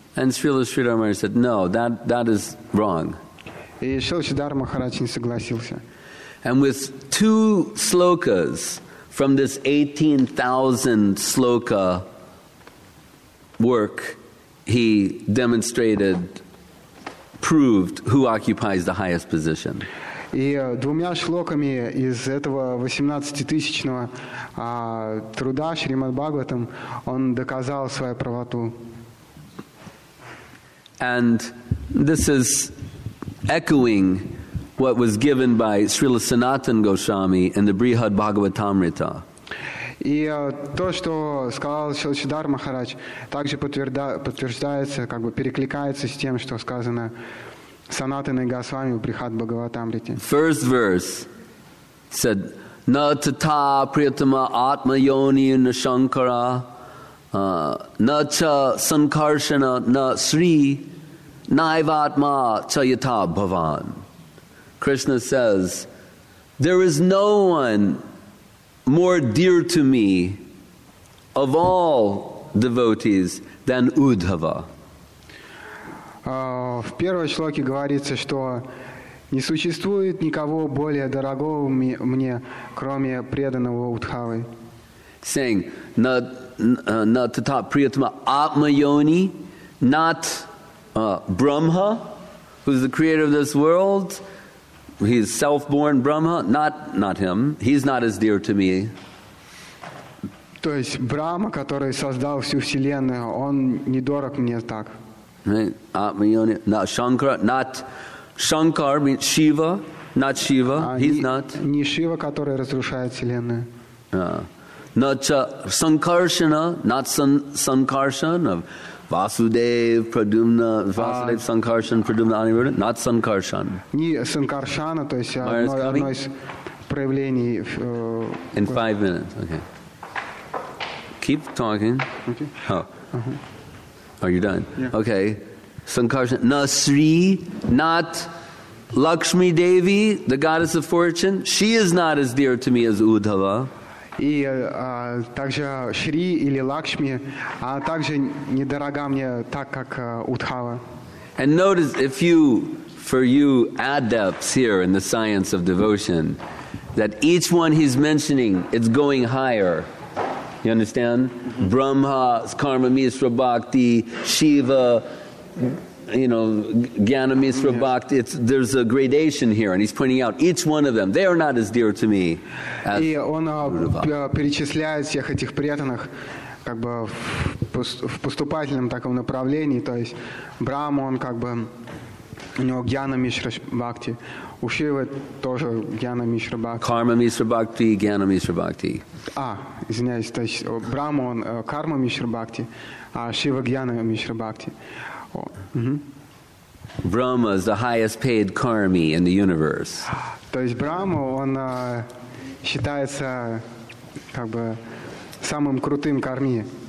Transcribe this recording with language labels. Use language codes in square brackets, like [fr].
[en] And Srila Sridhar Maharaj said, no, that is wrong. [ru] И Шрила Сридхара Махарадж не согласился. [en] And with two slokas from this 18,000 sloka work, he demonstrated, proved who occupies the highest position. [ru] И двумя шлоками из этого 18-тысячного труда Шримад Бхагаватам он доказал свою правоту. [en] And this is echoing what was given by Srila Sanatan Goswami in the Brihad Bhagavatamrita. [ru] И то, что сказал Шрила Сридхар Махарадж, также подтверждается, как бы перекликается с тем, что сказано Санатаной Госвами в Брихад Бхагаватамрите. [en] First verse said, [sa] Na tata priyatama atma yoni na shankara, na cha sankarshana na sri, naivatma cha yata bhavan. [en] Krishna says, there is no one more dear to me of all devotees than Uddhava. [ru] В первой шлоке говорится, что не существует никого более дорогого мне, кроме преданного Уддхавы. [en] Saying, [sa] na tata priyatma atma yoni, [en] not Brahma, who is the creator of this world, he's self-born Brahma, not him. He's not as dear to me. [ru] То есть Брахма, который создал всю вселенную, он не дорог мне так. [en] Atmayoni, not Shankara, not Shankar means Shiva, not Shiva. He's not. [ru] Не Шива, который разрушает вселенную. [en] Not Sankarsana, not Sankarsana. Vasudev Pradumna, Vasudev Sankarshan Pradumna Anirudha, not Sankarshan. [ru] Не Sankarshana, то есть одно из проявлений. [en] In 5 minutes, okay. Keep talking. Okay. Oh. Uh-huh. Are you done? Yeah. Okay. Sankarshan, na Sri, not Lakshmi Devi, the goddess of fortune. She is not as dear to me as Uddhava. [ru] И также Шри или Лакшми, а также недорога мне так, как Уддхава. [en] And notice, if you, for you adepts here in the science of devotion, that each one he's mentioning, it's going higher. You understand? Brahma, Karma Misra Bhakti, Shiva, you know, Gyana Misra Bhakti, there's a gradation here, and he's pointing out each one of them, they are not as dear to me as [ru] И он перечисляет всех этих преданных как бы в поступательном таком направлении, то есть Брахма, он как бы у него Гьяна Мишра Бхакти, у Шивы тоже Гьяна Мишра Бхакти. Карма Мишра Бхакти, Гьяна Мишра Бхакти. Извиняюсь, то есть Брахма, он Карма Мишра Бхакти, а Шива Гьяна Мишра Бхакти. [en] Brahma is the highest paid karmi in the universe. [ru] То есть Брама, он считается как бы самым крутым карми.